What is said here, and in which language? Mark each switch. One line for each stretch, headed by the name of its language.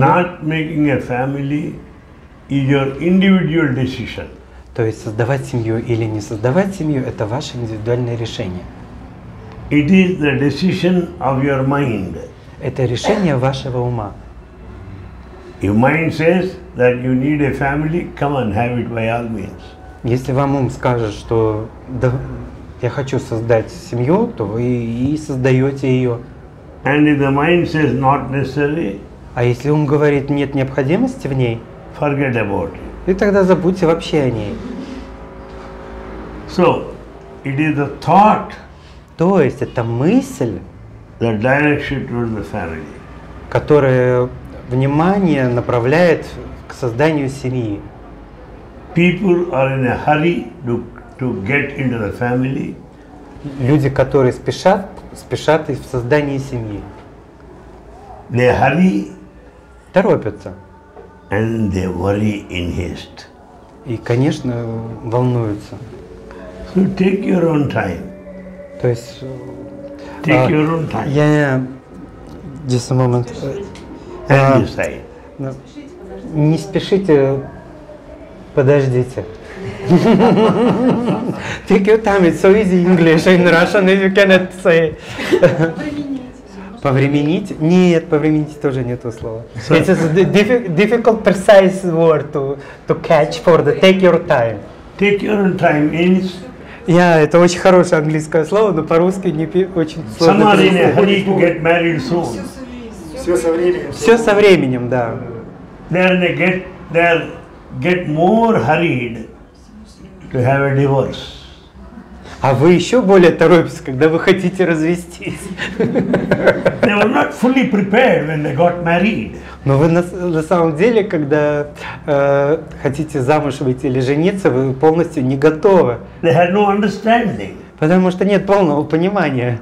English: not making a family is your individual decision.
Russian: То есть создавать семью или не создавать семью – это ваше индивидуальное решение.
English: It is the decision of your mind.
Russian: Это решение вашего ума.
English: Your mind says that you need a family. Come on, have it by all means.
Russian: Если вам ум скажет, что да, я хочу создать семью, то вы и создаете ее.
English: And if the mind says not necessary,
Russian: а если ум говорит нет необходимости в ней,
English: forget about it.
Russian: И тогда забудьте вообще о ней.
English: So, it is the thought.
Russian: То есть это мысль,
English: the direction towards the family,
Russian: которая внимание направляет к созданию семьи.
English: People are in a hurry to get into the family.
Russian: Люди, которые спешат в создании семьи.
English: They hurry,
Russian: торопятся.
English: And they worry in haste.
Russian: И, конечно, волнуются.
English: So take your own time.
Russian: То есть,
English: take your own time. Я just a moment. And you say.
Russian: Не спешите, подождите.
English: Take your time, it's so easy English in Russian, if you cannot say.
Russian: Повременить? Нет, повременить тоже нету слова.
English: It's a difficult, precise word to catch for the take your time. Take your time means...
Russian: Yeah, это очень хорошее английское слово, но по-русски не очень сложно.
English: Somebody in a hurry to get married soon.
Russian: Все со временем. Все со временем, да.
English: Then they get more hurried to have a divorce.
Russian: А вы еще более торопитесь, когда вы хотите развестись.
English: They were not fully prepared when they got married.
Russian: Но вы на самом деле, когда хотите замуж выйти или жениться, вы полностью не готовы.
English: They had no understanding.
Russian: Потому что нет полного понимания.